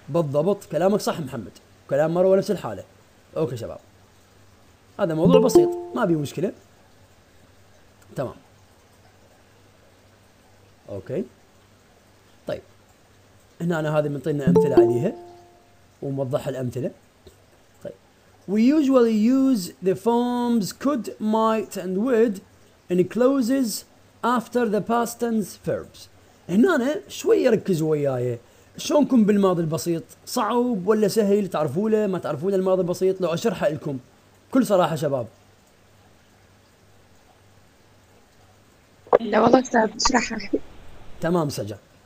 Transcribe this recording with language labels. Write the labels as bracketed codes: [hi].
[ar] بالضبط كلامك صح محمد كلام مروة نفس الحالة. أوكي شباب هذا موضوع بسيط ما بي مشكلة تمام. أوكي طيب هنا أنا هذه منطينا أمثلة عليها وموضح الأمثلة. [en] طيب We usually use the forms could, might and would in clauses after the past tense verbs. [ar] هنا أنا شوي ركزوا وياي شلونكم بالماضي البسيط صعب ولا سهل تعرفوا له ما تعرفوا له الماضي البسيط لو اشرحه لكم كل صراحه شباب. لا والله اشرحها تمام سجى.